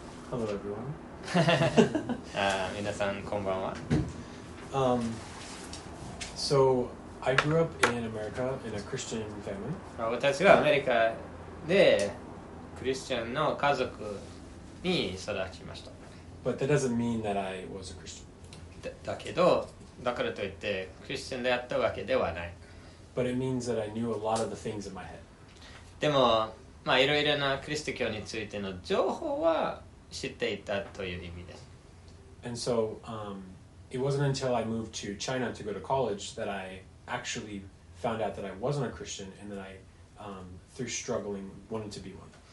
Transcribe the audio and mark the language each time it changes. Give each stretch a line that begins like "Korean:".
English: Hello everyone.
Japanese: みなさん、こんばんは。
English: So, I grew up in America in a Christian family.
Japanese: 私はアメリカでクリスチャンの家族に育ちました。
English: But that doesn't mean that I was a Christian.
Japanese: だけど、だからといってクリスチャンであったわけではない。
English: But it means that I knew a lot of the things in my head.
Japanese: でも、まあいろいろなクリスト教についての情報は知っていたという意味です。
English: And so, it wasn't until I moved to China to go to college that I actually found out that I wasn't a Christian and that I, through struggling, wanted to be one.